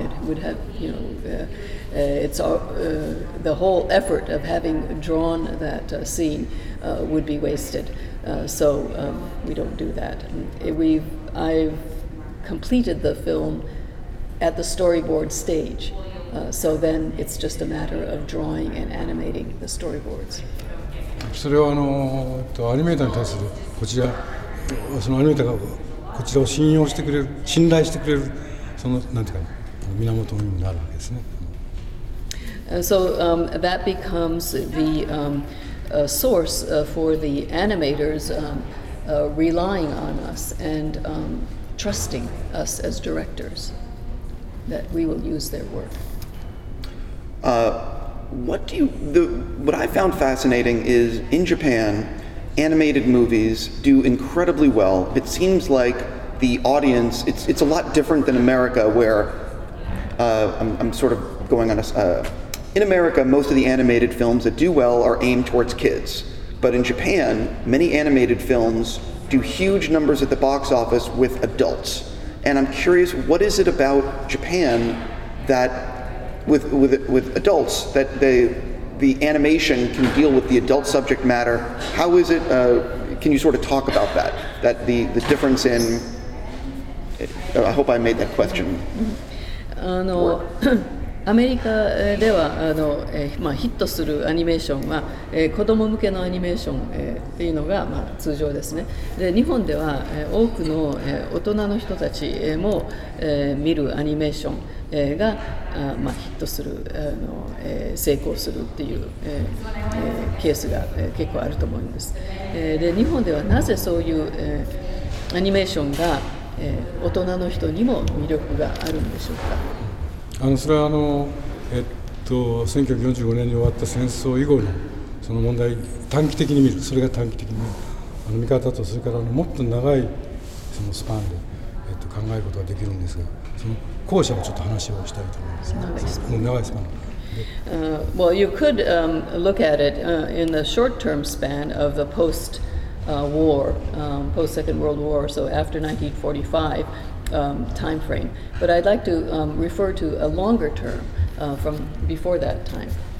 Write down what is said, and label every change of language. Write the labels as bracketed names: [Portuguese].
[English] It would have, it's the whole effort of having drawn that scene would be wasted. So we don't do that. I've completed the film at the storyboard stage. So then it's just a matter of drawing and animating the storyboards. [Japanese] それはアニメーターに対するこちら、そのアニメーターがこちらを信用してくれる、信頼してくれる、そのなんていうか源になるわけですね。 [English] So that becomes the source for the animators relying on us and trusting us as directors that we will use their work. What I found fascinating is in Japan, animated movies do incredibly well. It seems like the audience, it's a lot different than America, where I'm sort of going on a, in America, most of the animated films that do well are aimed towards kids. But in Japan, many animated films do huge numbers at the box office with adults. And I'm curious, what is it about Japan thatwith adults that the animation can deal with the adult subject matter? How is it, can you sort of talk about that? That the difference in, I hope I made that question. [Japanese] あの、アメリカではヒットするアニメーションは、子ども向けのアニメーション、っていうのが、通常ですね。で日本では、多くの、大人の人たちも、見るアニメーションがヒットする成功するっていうケースが結構あると思います。で日本ではなぜそういうアニメーションが大人の人にも魅力があるんでしょうか。それは1945年に終わった戦争以後のその問題、短期的に見る、それが短期的に見方と、それからもっと長いそのスパンで考えることができるんですが、その後者のちょっと話をしたいと思います。長いスパン。 [English] Well, you could look at it in the short-term span of the post-war, post-Second World War, so after 1945 time frame. But I'd like to refer to a longer term from before that time.